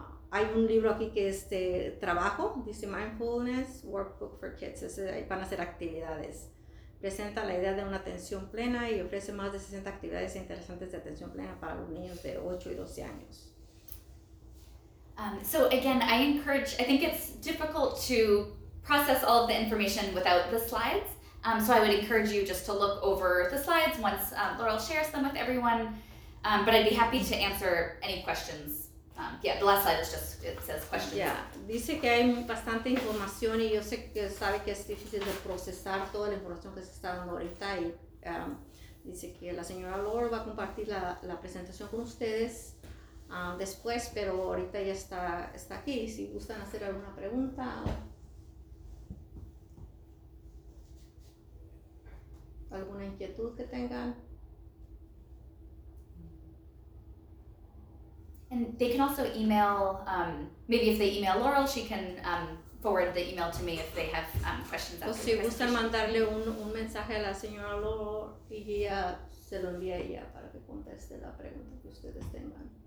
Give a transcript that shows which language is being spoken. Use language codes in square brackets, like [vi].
[es] Hay un libro aquí que es de trabajo, dice Mindfulness Workbook for Kids, es, van a ser actividades. Presenta la idea de una atención plena y ofrece más de 60 actividades interesantes de atención plena para los niños de 8 y 12 años. [en] So again, I think it's difficult to process all of the information without the slides. So I would encourage you just to look over the slides once Laurel shares them with everyone. But I'd be happy to answer any questions. The last slide is just, it says questions. [es] Yeah, dice que hay bastante información y yo sé que sabe que es difícil de procesar toda la información que se está dando ahorita. Y dice que la señora Laurel va a compartir la presentación con ustedes después, pero ahorita ya está aquí. Si gustan hacer alguna pregunta. ¿Alguna inquietud que tengan? [en] And they can also email, maybe if they email Laurel, she can forward the email to me if they have questions. [es] O si gustan mandarle un mensaje a la señora Laurel y ella se lo envía a ella para que conteste la pregunta que ustedes tengan.